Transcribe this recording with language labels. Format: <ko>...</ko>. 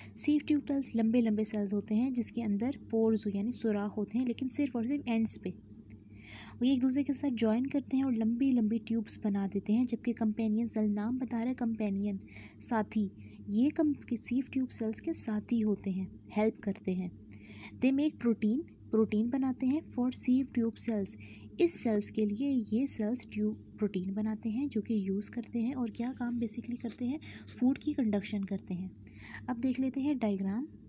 <ur>Save tube sales لمبے لمبے sales ہوتے ہیں جس کے اندر پورز یعنی سوراخ ہوتے ہیں, لیکن صرف اور صرف اینڈس پہ. وہ ایک دوسرے کے ساتھ جوائن کرتے ہیں اور لمبی لمبی ٹیوبس بنا دیتے ہیں, جبکہ کمپینین سیل, نام بتا رہے ہیں کمپینین, ساتھی, یہ سیو ٹیوب سیلس کے ساتھی ہوتے ہیں, ہیلپ کرتے ہیں.</ur> <en>they make protein,</en> <ur>پروٹین بناتے ہیں</ur> <en>For sieve tube cells.</en> <ur>اس sales کے لیے یہ سیلس ٹیوب پروٹین بناتے ہیں جو کہ یوز کرتے ہیں. اور کیا کام بیسکلی کرتے ہیں؟ فوڈ کی کنڈکشن کرتے ہیں. اب دیکھ لیتے ہیں ڈائیگرام.</ur>